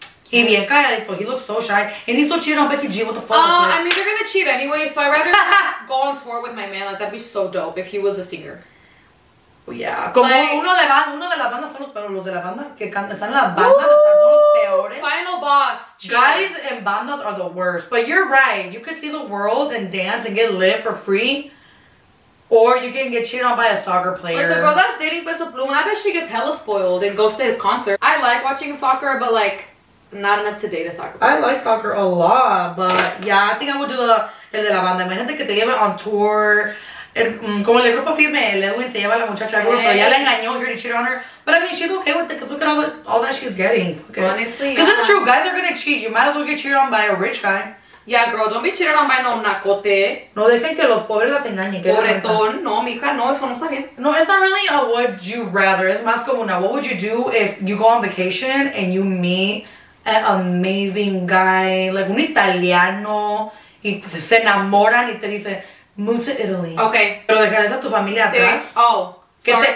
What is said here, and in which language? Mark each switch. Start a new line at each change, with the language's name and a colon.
Spanish: Y bien calladito.
English: He looks so shy. And he's so cheating on Becky G. What the fuck? I mean, they're gonna cheat anyway, so I'd rather go on tour with my man. Like, that'd be so dope if he was a singer.
Spanish: Yeah, como like, uno de la banda son los peores, los de la banda que cantan, están en la banda, son los peores.
English: Final boss. Guys and bandas are the worst, but you're right. You can see the world and dance and get lit for free, or you can get cheated on by a soccer player. Like the girl that's dating Peso Pluma, I bet she gets hella spoiled and goes to his concert. I like watching soccer, but like, not enough to date a soccer player. I like soccer a lot, but yeah, I think I would do
Spanish: el de la banda. Imagínate que te lleven
English: on tour.
Spanish: Como el grupo firme, Edwin se lleva a la muchacha, pero hey. Ya la engañó,
English: he already cheated on her. But I mean, she's okay with it, because look at all that she's getting. Okay? Honestly, because it's true, guys are gonna cheat. You might as well get cheated on by a rich guy. Yeah, girl, don't be cheated on by no nacote.
Spanish: No dejen que los pobres las engañen. Pobretón, no, mija, no, eso no está bien.
English: No, it's not really a would you rather. It's
Spanish: más como una,
English: what would you do if you go on vacation and you meet an amazing guy, like
Spanish: un italiano, y se enamoran y te dicen,
English: move to Italy. Okay.
Spanish: Pero dejarás a tu familia atrás.
English: Sí. Oh, sorry.